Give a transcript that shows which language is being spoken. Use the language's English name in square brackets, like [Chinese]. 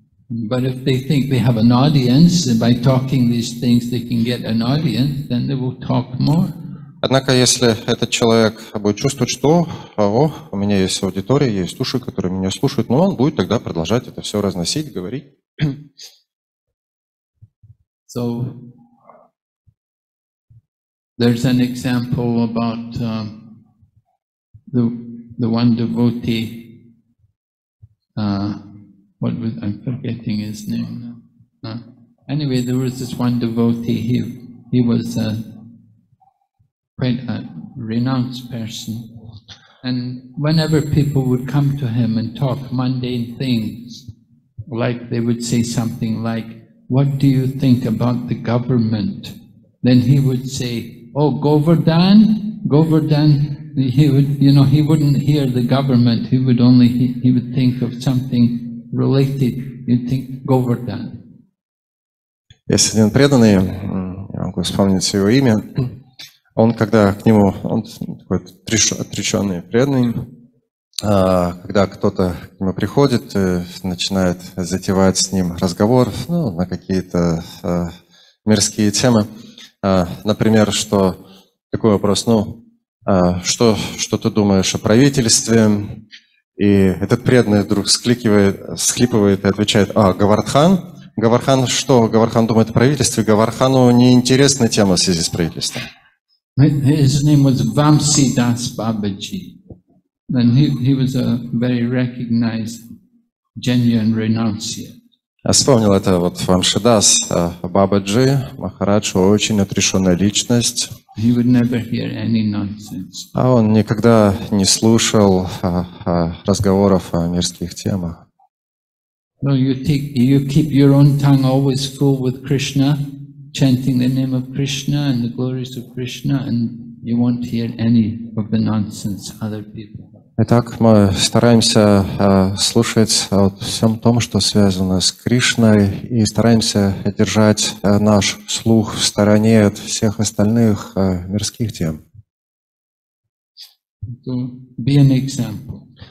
[English] But if they think they have an audience, by talking these things they can get an audience, then they will talk more. [Russian] Однако, если этот человек будет чувствовать, что о, у меня есть аудитория, есть уши, которые меня слушают, но он будет тогда продолжать это все разносить, говорить. [English] So, there's an example about the one devotee. I'm forgetting his name now. Anyway, there was this one devotee. He was quite a renounced person. And whenever people would come to him and talk mundane things, like they would say something like, "What do you think about the government?" Then he would say, "Oh, Govardhan, Govardhan." He would, you know, he wouldn't hear the government. He would only he would think of something related. You'd think Govardhan. [Russian] Есть один преданный, я могу вспомнить его имя. Он, когда к нему, он такой отреченный преданный, когда кто-то к нему приходит, начинает затевать с ним разговор, ну, на какие-то мирские темы. Например, что такой вопрос, ну, что ты думаешь о правительстве? И этот преданный вдруг всхлипывает и отвечает: «А, Говардхан? Говардхан что? Говардхан думает о правительстве? Говардхану неинтересна тема в связи с правительством». [English] His name was Vamsi Das Babaji, and he was a very recognized genuine renunciate. [Russian] I вспомнил это вот Vamsi Das Babaji, Махарадж, очень отрешенная личность. [English] He would never hear any nonsense. [Russian] А он никогда не слушал разговоров о мирских темах. [English] No, you keep your own tongue always full with Krishna, chanting the name of Krishna and the glories of Krishna, and you won't hear any of the nonsense other people. [Russian] Итак, мы стараемся слушать о всем том, что связано с Кришной, и стараемся держать наш слух в стороне от всех остальных мирских тем. [English] So, be an example.